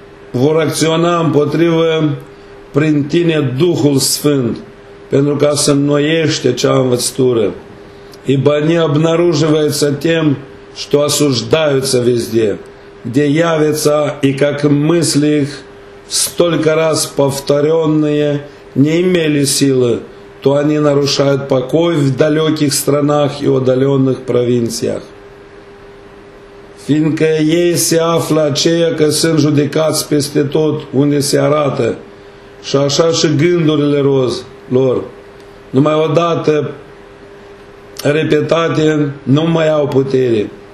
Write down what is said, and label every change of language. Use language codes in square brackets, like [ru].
[ro] vor acționa împotrivă prin tine Duhul Sfânt, pentru ca să înnoiește cea învățătură. [ru] Ibă они обнаруживаются тем, что осуждаются везде, где явятся и как мысли их столько раз повторенные не имели силы, то они нарушают покой в далеких странах и удаленных провинциях. [ro] Fiindcă ei se află aceia că sunt judecați peste tot unde se arată, și așa și gândurile lor, numai odată repetate, nu mai au putere.